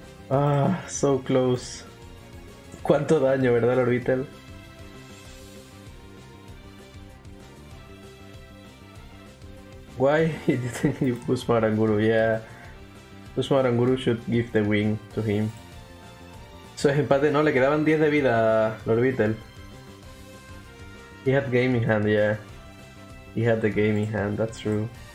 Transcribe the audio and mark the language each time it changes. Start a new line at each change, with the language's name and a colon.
English: Ah, so close.
Spanish: Cuánto daño, ¿verdad, Orbital?
English: Why didn't you push Maranguru? Yeah, push Maranguru should give the win to him.
Spanish: Eso es empate, no, le quedaban 10 de vida a Orbital.
English: He had game in hand, yeah. He had the game in hand, that's true.